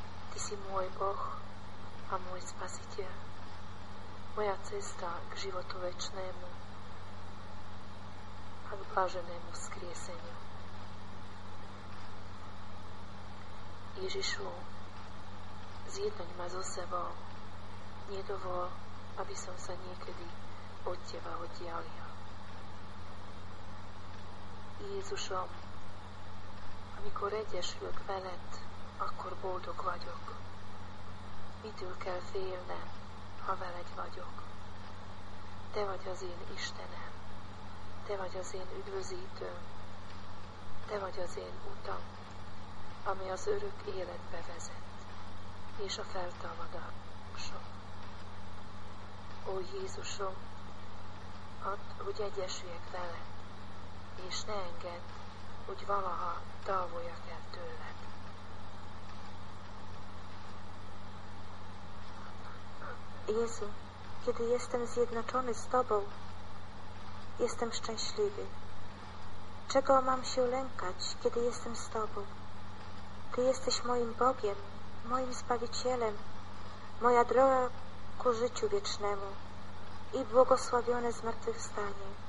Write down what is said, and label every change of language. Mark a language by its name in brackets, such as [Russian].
[Slovak] Ty si môj Boh a môj Spasiteľ. Moja cesta k životu večnému a k bláženému vzkrieseniu. Ježišu, zjednoť ma so sebou. Nedovol, aby som sa niekedy od Teba oddialil. [Hungarian] Jezušom, amikor egyesülök veled, akkor boldog vagyok. Mitől kell félnem, ha veled vagyok? Te vagy az én Istenem, Te vagy az én üdvözítőm, Te vagy az én utam, ami az örök életbe vezet, és a feltámadásom. Ó Jézusom, add, hogy egyesüljek veled, és ne engedd, hogy valaha távoljak el tőled. [Polish] Jezu, kiedy jestem zjednoczony z Tobą, jestem szczęśliwy. Czego mam się lękać, kiedy jestem z Tobą? Ty jesteś moim Bogiem, moim Zbawicielem, moja droga ku życiu wiecznemu i błogosławione zmartwychwstanie.